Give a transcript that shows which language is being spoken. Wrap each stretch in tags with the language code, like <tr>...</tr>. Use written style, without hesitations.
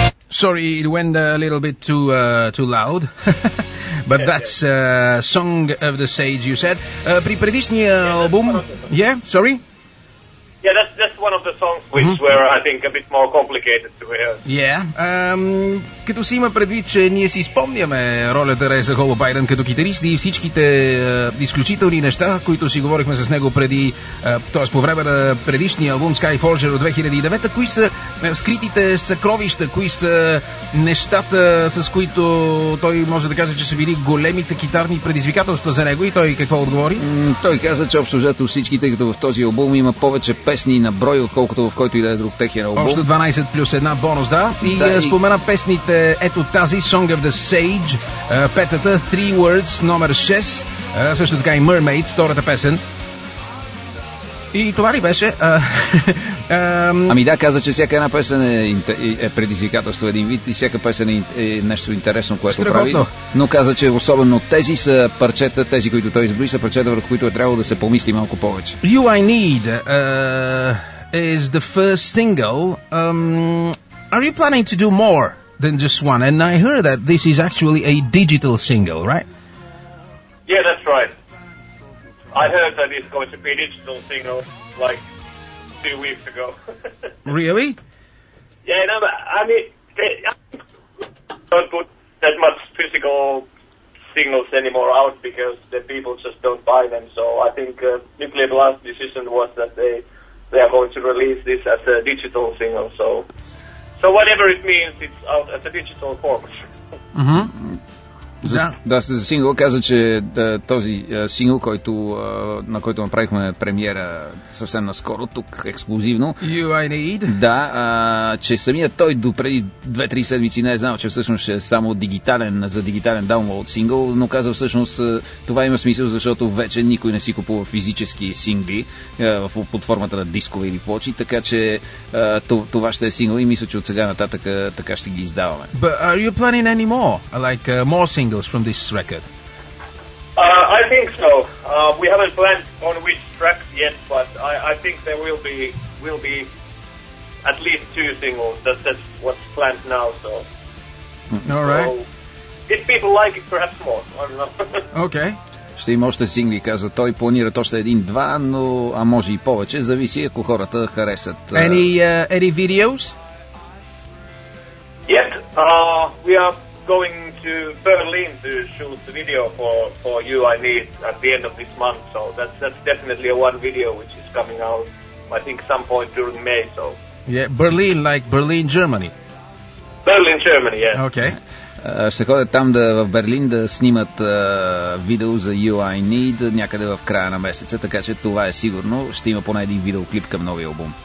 <en>Sorry, it went a little bit too loud. But that's Song of the Sage, you said.</en> <bg>При предишния албум...</bg> <en>Yeah, sorry? Yeah, that's one of the songs which were, I think, a bit more complicated to hear. Yeah.</en> <bg>Като си има предвид, че ние си спомняме ролята Реза Холобайден като китарист и всичките изключителни неща, които си говорихме с него преди, т.е. по време на предишния албум Skyforger от 2009, кои са скритите съкровища, кои са нещата, с които той може да каже, че са били големите китарни предизвикателства за него, и той какво отговори? Той каза, че общо взето всичките, като в този албум има повече песни на брой, отколкото в който и да е друг техен албум. Още 12 плюс една бонус, да. И да, спомена и... песните, ето тази, Song of the Sage, петата, Three Words, номер 6, също така и Mermaid, втората песен. И това ли беше? Ами да, каза, че всяка една песен е предизвикателство, един вид, и всяка песен е нещо интересно, което прави. Но каза, че особено тези са парчета, тези, които той изброи, са парчета, върху които е трябвало да се помисли малко повече.</bg> <en>You I Need is the first single. Are you planning to do more than just one? And I heard that this is actually a digital single, right? Yeah, that's right. I heard that it's going to be a digital single, like, 2 weeks ago. Really? Yeah, no, but, I mean, they don't put that much physical singles anymore out because the people just don't buy them. So I think Nuclear Blast's decision was that they are going to release this as a digital single. So whatever it means, it's out as a digital format. Mm-hmm.</en> <bg>За сингъл каза, че този сингъл, който, на който направихме премиера съвсем наскоро, тук ексклюзивно.</bg> <en>You I Need.</en> <bg>Да, че самият той допреди 2-3 седмици не е знал, че всъщност е само дигитален, за дигитален даунлоуд сингъл, но каза всъщност това има смисъл, защото вече никой не си купува физически сингли под формата на дискове или плочи, така че това ще е сингъл и мисля, че от сега нататък така ще ги издаваме.</bg> <en>But are you planning any more? Like more singles from this record? I think so. We haven't planned on which track yet, but I think there will be at least two singles. That's what's planned now. So, all right. So, if people like it, perhaps more. I don't know. Okay.</en> <bg>Ще има още сингли, каза той. Планират още един-два, но а може и повече. Зависи ако хората харесат.</bg> <en>Any videos? Yet. We are going to Berlin to shoot the video for You I Need at the end of this month, so that's definitely a one video which is coming out, I think, some point during May, so... Yeah, Berlin, like Berlin, Germany? Berlin, Germany, yeah. Okay.</en> <bg>Ще ходят там в Берлин да снимат видео за You I Need някъде в края на месеца, така че това е сигурно. Ще има поне един видеоклип към новия албум.</bg>